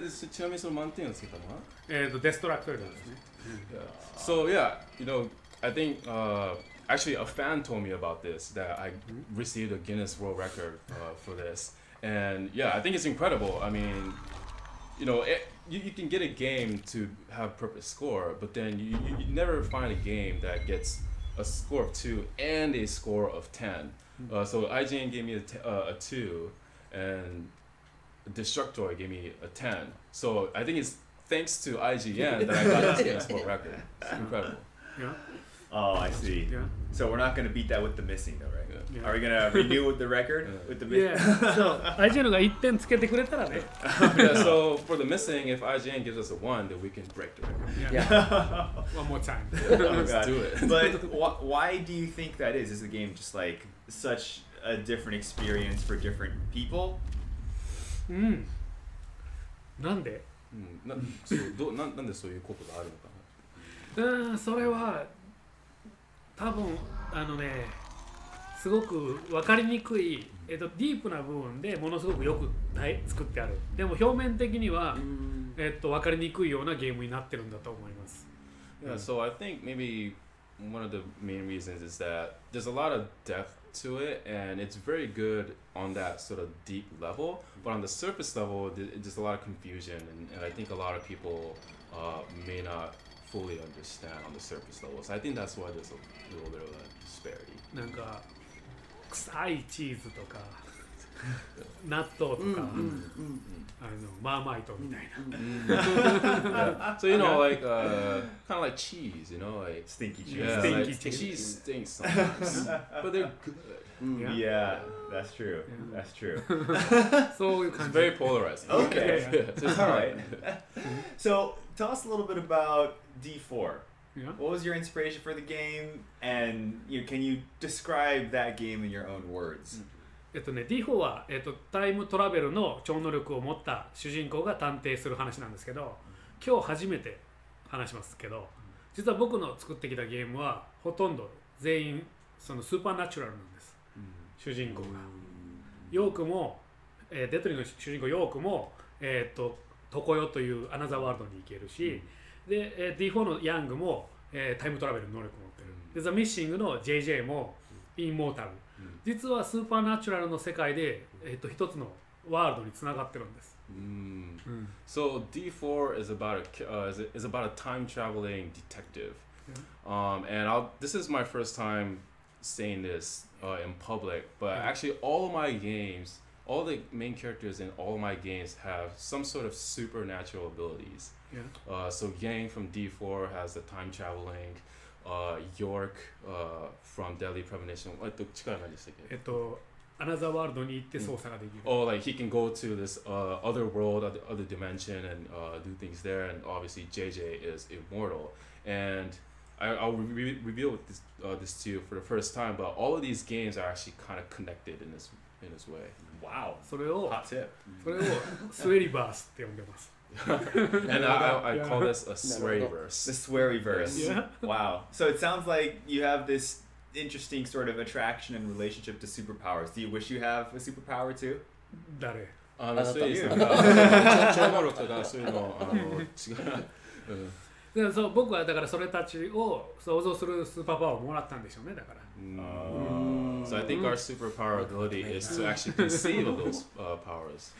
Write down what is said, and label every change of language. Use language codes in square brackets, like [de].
[ja] ちなみにその満点をつけたのは、デストラクトルですね。 [en] So yeah, you know, I think actually a fan told me about this, that I received a Guinness World Record for this. And yeah, I think it's incredible. I mean, you know, you can get a game to have perfect score, but then you never find a game that gets a score of 2 and a score of 10. So IGN gave me a 2, and Destructoid gave me a 10. So I think it's thanks to IGN that I got this Guinness World Record. It's incredible. Oh, I see. Yeah. So we're not going to beat that with the missing, though, right? Yeah. Are we going to renew with the record? Yeah. With the missing? Yeah. So [ja] IGN が1点つけてくれたらね。 [en] Yeah, so for the missing, if IGN gives us a 1, then we can break the record. Yeah. One more time. Let's do it. But why do you think that is? Is the game just like such a different experience for different people? [ja] なんで? なんでそういうことがあるのかな? それは…多分あのね、すごく分かりにくい、ディープな部分でものすごくよく作ってある。でも表面的には、分かりにくいようなゲームになってるんだと思います。 [en] Yeah, so I think maybe one of the main reasons is that there's a lot of depth to it, and it's very good on that sort of deep level, but on the surface level there's a lot of confusion, and I think a lot of people may notfully understand on the surface level. So I think that's why there's a little bit of a disparity. [ja] なんか臭いチーズとか納豆とか、あのマーマイトみたいな。 [en] So you know, like kind of like cheese, you know, like stinky cheese. Yeah, stinky like, cheese stinks sometimes, but they're good. Yeah, yeah, that's true. Yeah. That's true. So it's very polarizing. Okay, all right. So tell us a little bit about D4. Yeah. What was your inspiration for the game? And you know, can you describe that game in your own words? [ja] D4 は、タイムトラベルの超能力を持った主人公が探偵する話なんですけど、今日初めて話しますけど、実は僕の作ってきたゲームはほとんど全員そのスーパーナチュラルなんです。主人公が。ヨークも、デトリの主人公ヨークも、トコヨというアナザーワールドに行けるし、で、D4 のヤングも、タイムトラベルの能力を持ってる。で、ザ・ミッシングの JJ もインモータル。実はスーパーナチュラルの世界で、一つのワールドにつながってるんです。 [en] So D4 is about a time traveling detective. And this is my first time saying this in public, but actually all of my games, all the main characters in all of my games have some sort of supernatural abilities. Yeah. So Yang from D4 has the time traveling. York from Deadly Premonition. What the [ja] 力なんですか? [en] Another world [ja] に行って操作ができる。 [en] Oh, like he can go to this other world, other dimension, and do things there. And obviously, JJ is immortal. And I'll reveal this to you for the first time. But all of these games are actually kind of connected in this way. Wow. [ja] それを [en] hot tip. [ja] それをSweryverseって呼んでます。 [en] And I call this a Sweryverse. The Sweryverse. Yeah. Wow. So it sounds like you have this interesting sort of attraction and relationship to superpowers. Do you wish you have a superpower too? [ja] 誰? [en] Honestly, it's not. [ja] 超能力とかそういうの、違う。でも、僕はだからそれたちを想像するスーパーパワーをもらったんでしょうね、だから。 [en] So I think our superpower ability is to actually conceive of those powers.